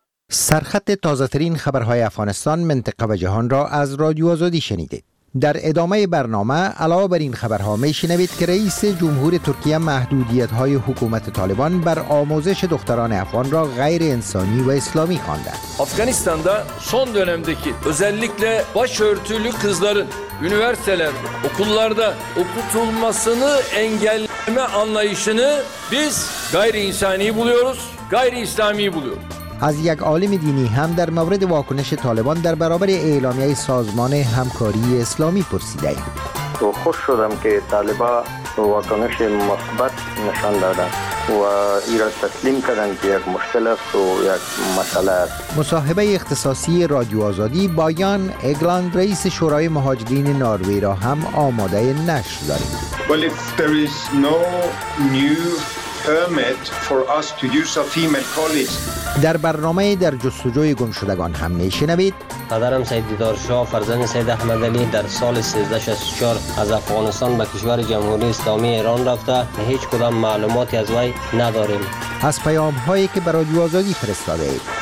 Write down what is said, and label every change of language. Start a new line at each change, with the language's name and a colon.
Persian: سرخط تازه‌ترین خبرهای افغانستان، منطقه و جهان را از رادیو آزادی شنیدید. در ادامه برنامه علاوه بر این خبرها می شنوید که رئیس جمهور ترکیه محدودیت‌های حکومت طالبان بر آموزش دختران افغان را غیر انسانی و اسلامی خوانده. افغانستان در
Turkish: son dönemdeki özellikle başörtülü kızların üniversitelerde, okullarda okutulmasını engelleme anlayışını biz gayri insani buluyoruz, gayri İslami buluyoruz.
Persian: از یک عالم دینی هم در مورد واکنش طالبان در برابر اعلامیه سازمان همکاری اسلامی پرسیده اید. خوش شدم که طالبان واکنش مثبت نشان دادند و ایران تسلیم کردند که یک مشکل است و یک مسئله است. مصاحبه اختصاصی رادیو آزادی با یان اگلاند، رئیس شورای مهاجرین ناروی را هم آماده نشر داریم.
English: Well, if there is no new permit for us to use a female colleague.
Persian: در برنامه در جستجوی گمشدگان هم میشنوید. پدرم سید دیدارشاه فرزند سید احمد علی در سال 1364 از افغانستان به کشور جمهوری اسلامی ایران رفته، هیچ کدام معلوماتی از وی نداریم. از پیام هایی که برای رادیو آزادی فرستاده اید.